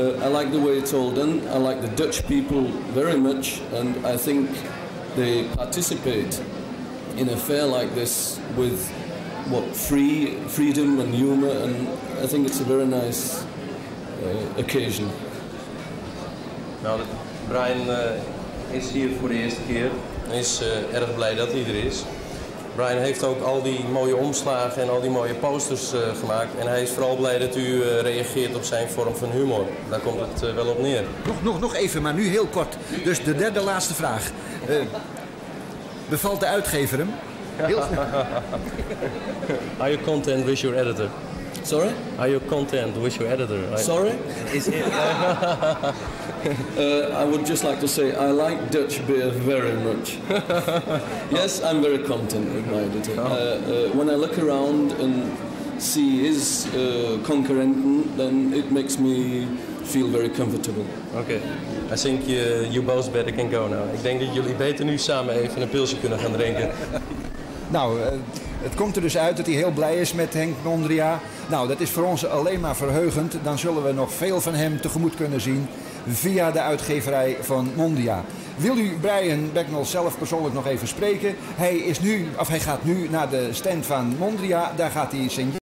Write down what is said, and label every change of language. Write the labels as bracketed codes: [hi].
[en] I like the way it's all done. I like the Dutch people very much. And I think they participate in a fair like this with freedom and humor. And I think it's a very nice occasion. [nl] Nou, Brian is hier voor de eerste keer. Is erg blij dat hij er is. Brian heeft ook al die mooie omslagen en al die mooie posters gemaakt. En hij is vooral blij dat u reageert op zijn vorm van humor. Daar komt het wel op neer. Nog even, maar nu heel kort. Dus de derde laatste vraag. Bevalt de uitgever hem? [en] Are you content with your editor? Sorry? Are you content with your editor? Sorry? I would just like to say I like Dutch beer very much. Yes, I'm very content with my editor. When I look around and see his concurrenten, then it makes me feel very comfortable. Okay. I think you both better can go now. [nl] Ik denk dat jullie beter nu samen even een pilsje kunnen gaan drinken. Nou, het komt er dus uit dat hij heel blij is met Henk Mondria. Nou, dat is voor ons alleen maar verheugend. Dan zullen we nog veel van hem tegemoet kunnen zien via de uitgeverij van Mondria. Wil u Brian Becknell zelf persoonlijk nog even spreken? Hij gaat nu naar de stand van Mondria. Daar gaat hij zijn...